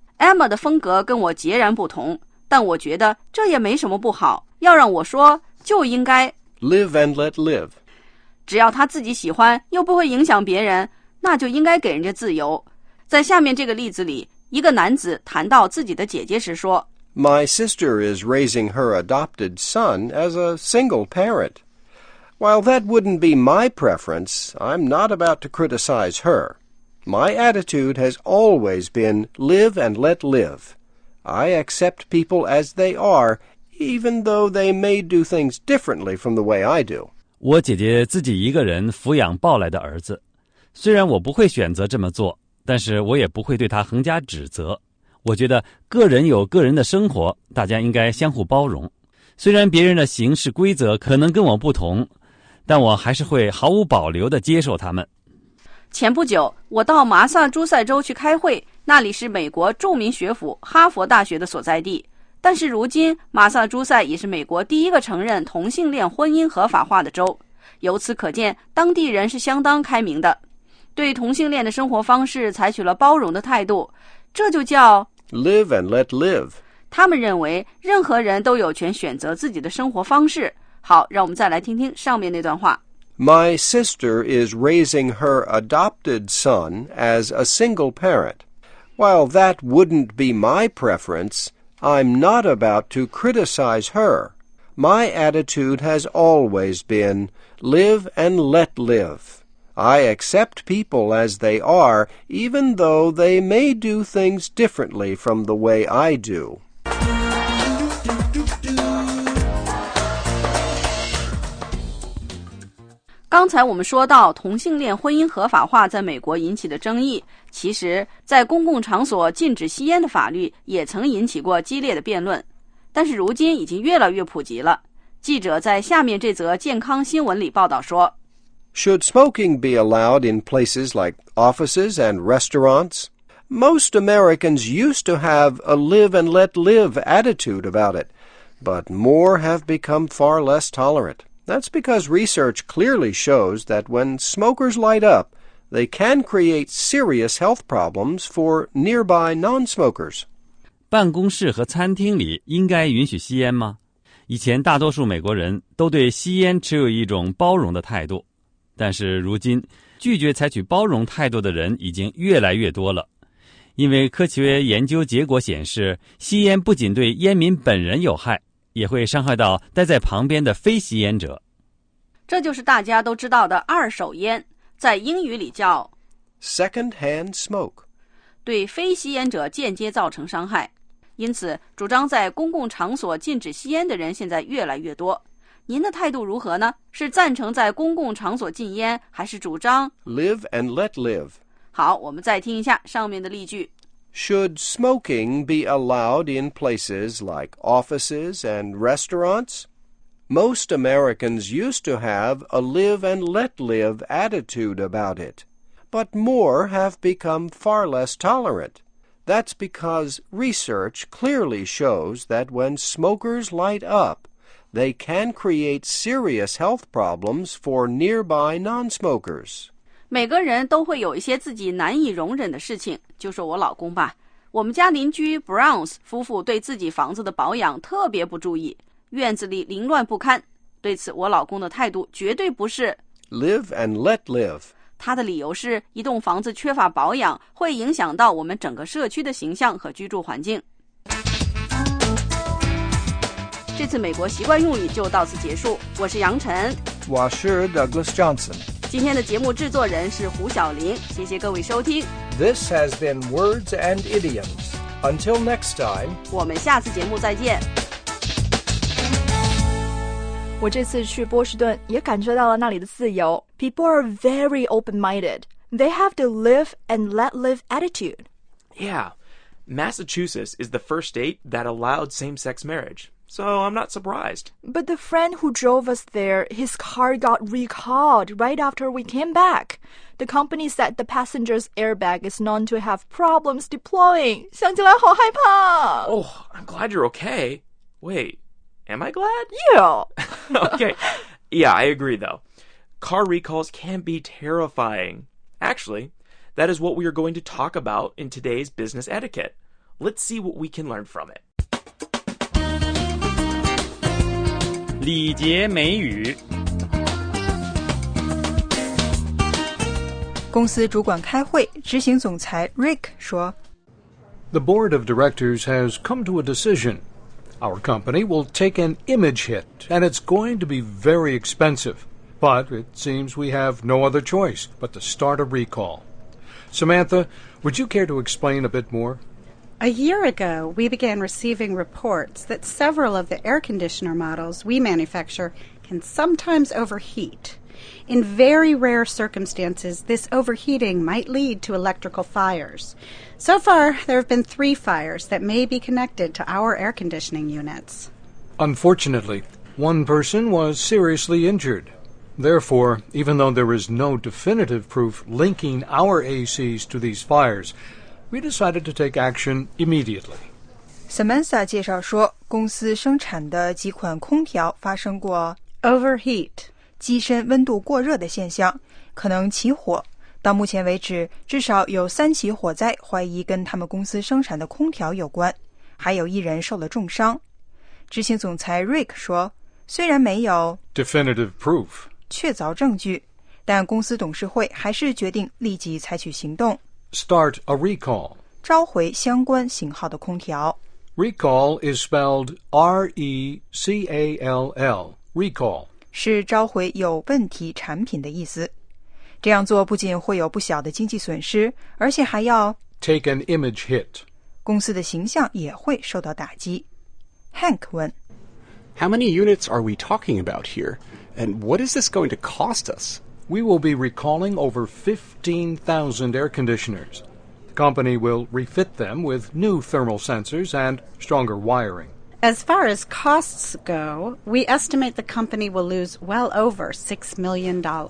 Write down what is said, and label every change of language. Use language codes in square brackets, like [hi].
[zh] Emma 的风格跟我截然不同，但我觉得这也没什么不好。要让我说就应该。 [en] Live and let live. [zh] 只要他自己喜欢又不会影响别人，那就应该给人家自由。在下面这个例子里，一个男子谈到自己的姐姐时说， [en] My sister is raising her adopted son as a single parent. While that wouldn't be my preference, I'm not about to criticize her. My attitude has always been live and let live. I accept people as they are, even though they may do things differently from the way I do. [zh] 我姐姐自己一个人抚养抱来的儿子。虽然我不会选择这么做，但是我也不会对她横加指责。我觉得个人有个人的生活，大家应该相互包容。虽然别人的行事规则可能跟我不同，但我还是会毫无保留地接受他们。前不久，我到马萨诸塞州去开会，那里是美国著名学府哈佛大学的所在地。但是如今，马萨诸塞也是美国第一个承认同性恋婚姻合法化的州。由此可见，当地人是相当开明的，对同性恋的生活方式采取了包容的态度。这就叫 [en] live and let live. [zh] 他们认为任何人都有权选择自己的生活方式。好，让我们再来听听上面那段话。 [en] My sister is raising her adopted son as a single parent. While that wouldn't be my preference, I'm not about to criticize her. My attitude has always been, live and let live. I accept people as they are, even though they may do things differently from the way I do. [zh] 刚才我们说到同性恋婚姻合法化在美国引起的争议，其实在公共场所禁止吸烟的法律也曾引起过激烈的辩论，但是如今已经越来越普及了。记者在下面这则健康新闻里报道说， [en] Should smoking be allowed in places like offices and restaurants? Most Americans used to have a live and let live attitude about it, but more have become far less tolerant. That's because research clearly shows that when smokers light up, they can create serious health problems for nearby non-smokers. [zh] 办公室和餐厅里应该允许吸烟吗？以前大多数美国人都对吸烟持有一种包容的态度，但是如今，拒绝采取包容态度的人已经越来越多了。因为科学研究结果显示，吸烟不仅对烟民本人有害，也会伤害到待在旁边的非吸烟者。这就是大家都知道的二手烟，在英语里叫 [en] Secondhand smoke， [zh] 对非吸烟者间接造成伤害。因此主张在公共场所禁止吸烟的人现在越来越多。您的态度如何呢？是赞成在公共场所禁烟，还是主张 [en] Live and let live？ [zh] 好，我们再听一下上面的例句。 [en] Should smoking be allowed in places like offices and restaurants? Most Americans used to have a live and let live attitude about it, but more have become far less tolerant. That's because research clearly shows that when smokers light up, they can create serious health problems for nearby non-smokers. [zh] 每个人都会有一些自己难以容忍的事情，就说我老公吧。我们家邻居 Browns 夫妇对自己房子的保养特别不注意，院子里凌乱不堪。对此我老公的态度绝对不是 [en] Live and let live， [zh] 他的理由是一栋房子缺乏保养会影响到我们整个社区的形象和居住环境。这次美国习惯用语就到此结束，我是杨晨，我是 Douglas Johnson。今天的节目制作人是胡晓玲，谢谢各位收听。 [en] This has been Words and Idioms. Until next time. [zh] 我们下次节目再见。我这次去波士顿也感受到了那里的自由。 [en] People are very open-minded. They have the live and let live attitude. Yeah, Massachusetts is the first state that allowed same-sex marriage. So I'm not surprised. But the friend who drove us there, his car got recalled right after we came back. The company said the passenger's airbag is known to have problems deploying. [zh] 想起来好害怕。 [en] Oh, I'm glad you're okay. Wait, am I glad? Yeah. Okay. Yeah, I agree though. Car recalls can be terrifying. Actually, that is what we are going to talk about in today's business etiquette. Let's see what we can learn from it. [zh] 礼节美语。公司主管开会，执行总裁 Rick 说 [en] The board of directors has come to a decision. Our company will take an image hit, and it's going to be very expensive. But it seems we have no other choice but to start a recall. Samantha, would you care to explain a bit more? A year ago, we began receiving reports that several of the air conditioner models we manufacture can sometimes overheat. In very rare circumstances, this overheating might lead to electrical fires. So far, there have been 3 fires that may be connected to our air conditioning units. Unfortunately, one person was seriously injured. Therefore, even though there is no definitive proof linking our ACs to these fires,We decided to take action immediately. [zh] Samantha 介绍说，公司生产的几款空调发生过 [en] overheat [zh] 机身温度过热的现象，可能起火。到目前为止，至少有3起火灾怀疑跟他们公司生产的空调有关，还有一人受了重伤。执行总裁 Rick 说，虽然没有 [en] definitive proof [zh] 确凿证据，但公司董事会还是决定立即采取行动。 [en] Start a recall. [zh] 召回相关型号的空调。 [en] Recall is spelled R-E-C-A-L-L, recall. [zh] 是召回有问题产品的意思。这样做不仅会有不小的经济损失，而且还要 [en] take an image hit. [zh] 公司的形象也会受到打击。 Hank 问 [en] How many units are we talking about here? And what is this going to cost us? We will be recalling over 15,000 air conditioners. The company will refit them with new thermal sensors and stronger wiring. As far as costs go, we estimate the company will lose well over $6 million.